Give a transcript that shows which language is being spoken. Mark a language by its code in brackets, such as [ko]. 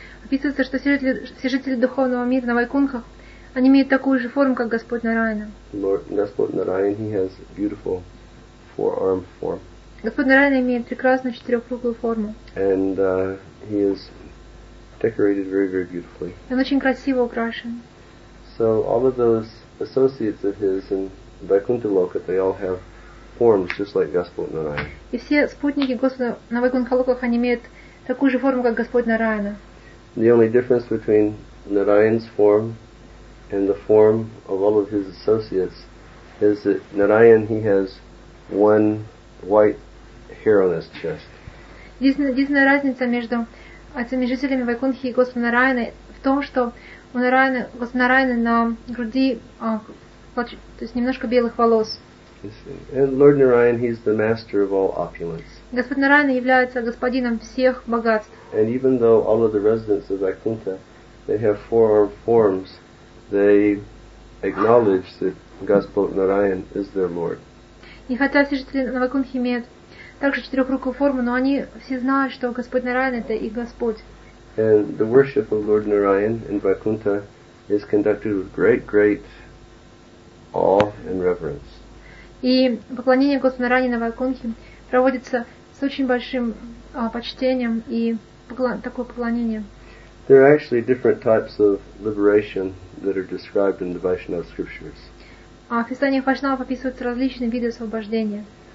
[ru] Описывается, что все жители духовного мира на Вайкунхах, они имеют такую же форму, как Господь Нараяна. [en] Господь Нараян, he has beautiful four-arm form. [ru] Господь Нараяна имеет прекрасную четырехкругую форму. [en] And he is decorated very, very beautifully. [ru] Он очень красиво украшен. [en] So all of those associates of his in Vaikuntha Loka, they all have forms just like Господь Нараяна. [ru] И все спутники Господа на Вайкунхалоках, они имеют такую же форму, как Господь Нараяна. [en] The only difference between Narayan's form and the form of all of his associates is that Narayan, he has one white hair on his chest. [ru] Единственная разница между этими жителями Вайкунхи и Господом Нараяна в том, что у Нараяна, Господа Нараяна на груди, то есть немножко белых волос. [en] And Lord Narayan, he's the master of all opulence. [ru] Господь Нараяна является господином всех богатств. [en] And even though all of the residents of Vaikuntha, they have four-armed forms, they acknowledge that Господь Нараяна is their Lord. [ru] И хотя все жители на Вайкунхе имеют также четырехрукую форму, но они все знают, что Господь Нараяна это их Господь. [en] And the worship of Lord Narayan in Vaikuntha is conducted with great, great awe and reverence. [ru] И поклонение Господу Нараяне на Вайкунхе проводится с очень большим почтением и такое поклонение. [en] There are actually different types of liberation that are described in the Vaishnava scriptures. [ru] В писаниях Вайшнавов описываются различные виды освобождения.